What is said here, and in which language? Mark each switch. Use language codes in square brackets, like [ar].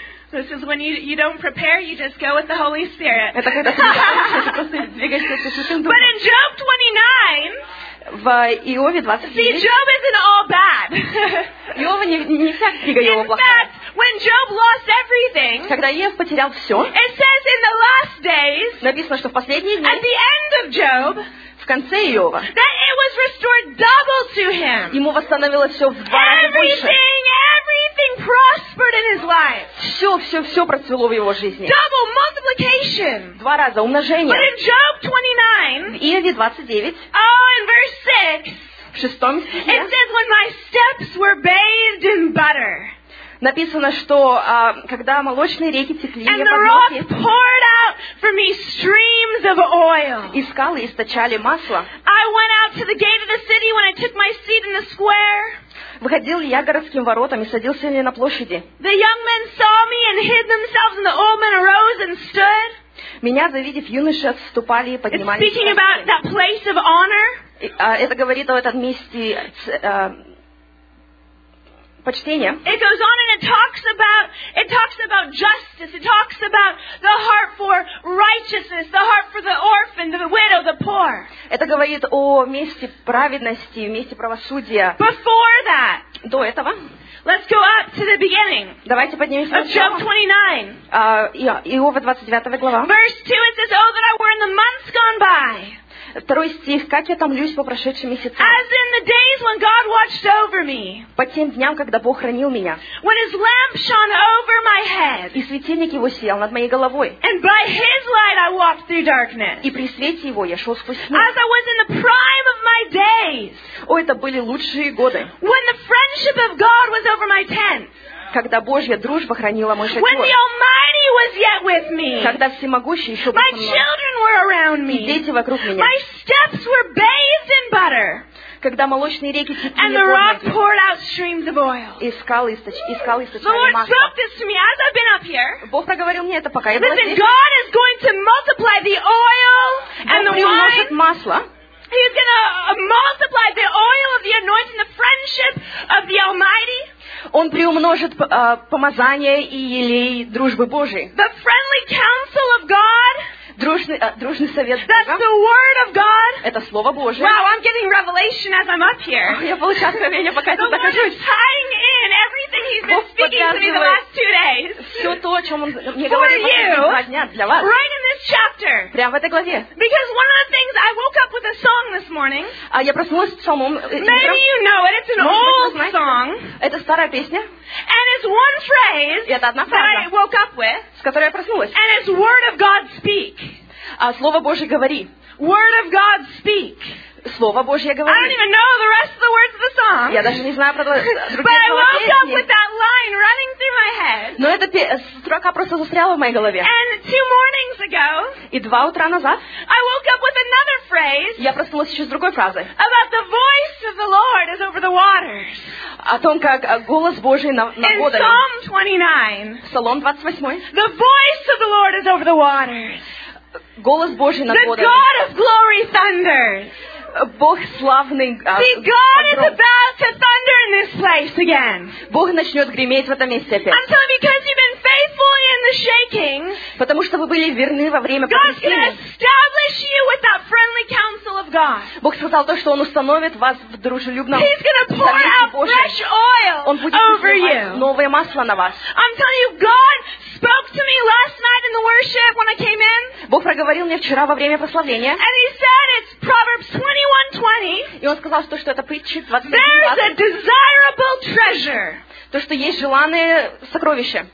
[en] This is when you don't prepare, you just go with the Holy Spirit. [ru] Это когда ты двигаешься со Святым Духом. [en] But in Job 29. [ru] В Иове 29. [en] See, Job isn't all bad. [ru] Иова не вся книга Иова плохая. [en] In fact, when Job lost everything, [ru] когда Иов потерял все, [en] it says in the last days, [ru] написано, что в последние дни, [en] at the end of Job, [ru] в конце Иова, [en] that it was restored double to him. [ru] Ему восстановилось все в два раза больше. [en] Everything prospered in his life. [ru] Все процвело в его жизни. [en] Double multiplication. [ru] Два раза умножение. [en] But in Job 29, [ru] в Иове 29, [en] oh, in verse 6, [ru] в шестом стихе, [en] it says, when my steps were bathed in butter. [ru] Написано, что когда молочные реки текли, [en] and the rock poured out for me streams of oil. [ru] И скалы источали масло. [en] I went out to the gate of the city when I took my seat in the square. [ru] Выходил ли я городским воротам и садился ли на площади? [en] The young men saw me and hid themselves, and the old men arose and stood. [ru] Меня, завидев, юноши отступали и поднимались. [en] It's speaking about that place of honor. [ru] Это говорит о этом месте почтения. [en] It goes on and it talks about justice. It talks about the heart for righteousness, the heart for the orphan, the widow, the poor. [ru] Это говорит о месте праведности, месте правосудия. [en] Before that. [ru] До этого. [en] Let's go up to the beginning. [ru] Давайте поднимемся. [en] Of Job 29. [ru] Иова 29 глава. [en] Verse 2, it says, oh, that I were in the months gone by. [ru] Второй стих. Как я томлюсь по прошедшим месяцам. [en] As in the days when God watched over me. [ru] По тем дням, когда Бог хранил меня. [en] When His lamp shone over my head. [ru] И светильник Его сиял над моей головой. [en] And by His light I walked through darkness. [ru] И при свете Его я шел сквозь тьму. [en] As I was in the prime of my days. [ru] О, это были лучшие годы. [en] When the friendship of God was over my tent. [ru] Когда Божья дружба хранила мой шатер. [en] When the Almighty was yet with me. [ru] Когда Всемогущий еще был со мной. [en] My children were around me. [ru] И дети вокруг меня. [en] My steps were bathed in butter. [ru] Когда молочные реки текли [en] and the rock poured out streams of oil. [ru] И скалы источали масло. [en] The Lord spoke this to me as I've been up here. [ru] Бог проговорил мне это, пока я была здесь. [en] God is going to multiply the oil and the wine. [ru] Бог приумножит масло. [en] He's going to multiply the oil of the anointing, the friendship of the Almighty. [ru] Он приумножит помазание и елей дружбы Божией. [en] The friendly counsel of God. [ru] Дружный совет [en] Бога. That's the word of God. [ru] Это слово Божие. [en] Wow, I'm getting revelation as I'm up here. [ru] Я получаю откровение, пока я тут нахожусь. [en] The Lord is tying in everything He's been speaking to me the last two days. [ru] Все то, о чем Он мне говорил два дня для вас. [en] Right in this chapter. [ru] Прямо в этой главе. [en] Because one of the things I woke up with a song this morning. [ru] А я проснулась с псалмом. [en] Maybe you know it. It's an old song. [ru] Это старая песня. [en] And it's one phrase that I woke up with. [ru] С которой я проснулась. [en] And it's word of God speak. [ru] Слово Божье говори. [en] Word of God speak. [ru] Слово Божье говори. [en] I don't even know the rest of the words of the song. [ru] Я даже не знаю про другие слова песни. [en] But I woke up with that line running through my head. [ru] Но эта строка просто застряла в моей голове. [en] And two mornings ago. [ru] И два утра назад. [en] I woke up with another phrase. [ru] Я проснулась еще с другой фразой. [en] About the voice of the Lord is over the waters. [ru] О том, как голос Божий на водах. [en] In Psalm 29. [ru] Псалом 28. [en] The voice of the Lord is over the waters. [ru] Голос Божий над водами. [en] The God of glory thunders. [ru] Бог славный. [en] See, God is about to thunder in this place again. [ru] Бог начнет греметь в этом месте опять. [en] I'm telling you, because you've been faithful in the shaking. [ru] Потому что вы были верны во время потрясения. [en] God's gonna establish you with that friendly counsel of God. [ru] Бог сказал то, что Он установит вас в дружелюбном. [en] He's gonna pour out fresh oil over you. [ru] Новое масло на вас. [en] I'm telling you, God spoke to me last night in the worship when I came in. [ru] Бог проговорил мне вчера во время прославления. [en] And He said it's Proverbs 20. [ru] И он сказал, что это притча 21:20. То, что есть желанное сокровище.